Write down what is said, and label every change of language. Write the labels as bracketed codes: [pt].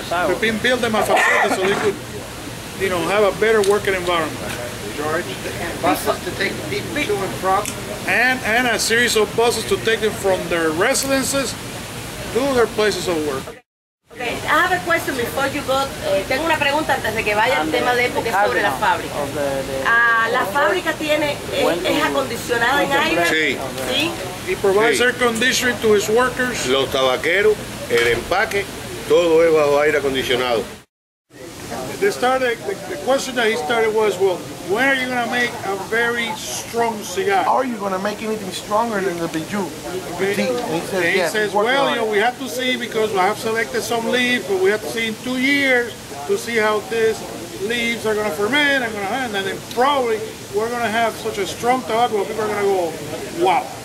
[en] They've been building them a facility so they could, you know, have a better working environment. George, buses to take people to and from. And a series of buses to take them from their residences to their places of work. Okay, I have a question before you go. [es] Tengo una pregunta antes de que vaya al tema de época sobre la fábrica. La fábrica tiene, es acondicionada en aire. Sí. Sí. [en] He provides air conditioning to his workers. [es] Los tabaqueros, el empaque, todo es bajo aire acondicionado. [en] The question that he started was, well, when are you going to make a very strong cigar? Are you going to make anything stronger than the Bijou? And he says, well, you know, we have to see, because I have selected some leaves, but we have to see in 2 years to see how these leaves are going to ferment and going to happen. And then probably we're going to have such a strong tobacco, people are going to go, wow.